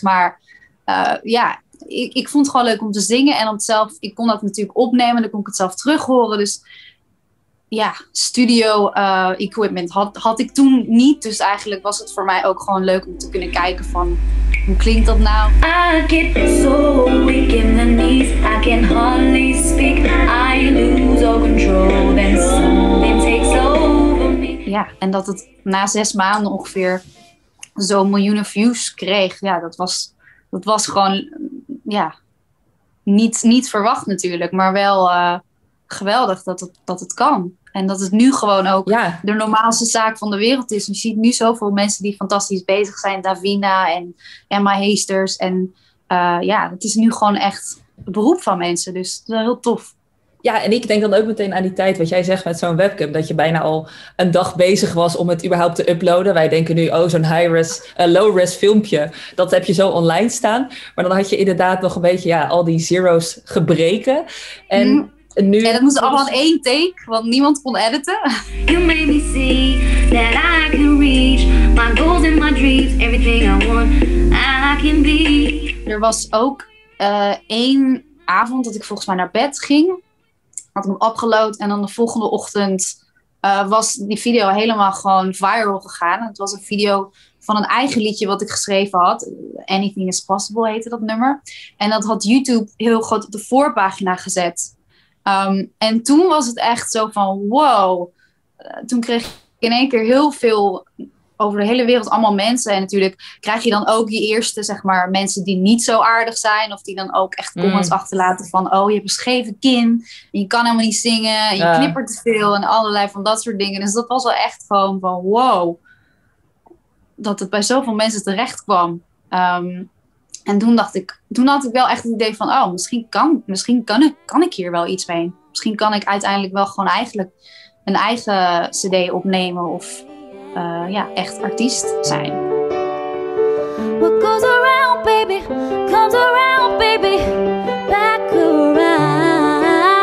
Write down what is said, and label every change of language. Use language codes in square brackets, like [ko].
[nl] Maar ik vond het gewoon leuk om te zingen. En om het zelf, ik kon dat natuurlijk opnemen, dan kon ik het zelf terughoren. Dus ja, studio equipment had ik toen niet. Dus eigenlijk was het voor mij ook gewoon leuk om te kunnen kijken van, hoe klinkt dat nou? [en] I get so weak in the knees, I can hardly speak, I lose all control, then something takes over me. [nl] Ja, en dat het na 6 maanden ongeveer zo'n miljoenen views kreeg, ja, dat was gewoon, ja, niet verwacht natuurlijk, maar wel geweldig dat het kan. En dat het nu gewoon ook de normaalste zaak van de wereld is. Je ziet nu zoveel mensen die fantastisch bezig zijn. Davina en Emma Heesters. En het is nu gewoon echt het beroep van mensen. Dus dat is heel tof. Ja, en ik denk dan ook meteen aan die tijd wat jij zegt met zo'n webcam. Dat je bijna al een dag bezig was om het überhaupt te uploaden. Wij denken nu, oh, zo'n low-res filmpje. Dat heb je zo online staan. Maar dan had je inderdaad nog een beetje al die zero's gebreken. En nu, ja, dat moest allemaal in één take, want niemand kon editen. [en] You made me see that I can reach my goals and my dreams, everything I want, I can be. [nl] Er was ook één avond dat ik volgens mij naar bed ging. Had ik hem opgeload en dan de volgende ochtend was die video helemaal gewoon viral gegaan. Het was een video van een eigen liedje wat ik geschreven had. Anything is Possible heette dat nummer. En dat had YouTube heel groot op de voorpagina gezet. En toen was het echt zo van, wow. Toen kreeg in één keer heel veel over de hele wereld allemaal mensen. En natuurlijk krijg je dan ook die eerste, zeg maar, mensen die niet zo aardig zijn. Of die dan ook echt comments achterlaten van, oh, je hebt een scheve kin. En je kan helemaal niet zingen. En je knippert te veel. En allerlei van dat soort dingen. Dus dat was wel echt gewoon van, wow. Dat het bij zoveel mensen terecht kwam. En toen dacht ik, toen had ik wel echt het idee van, oh, misschien kan ik hier wel iets mee. Misschien kan ik uiteindelijk wel gewoon eigenlijk een eigen cd opnemen of echt artiest zijn. [en] What goes around, baby, comes around, baby, back around.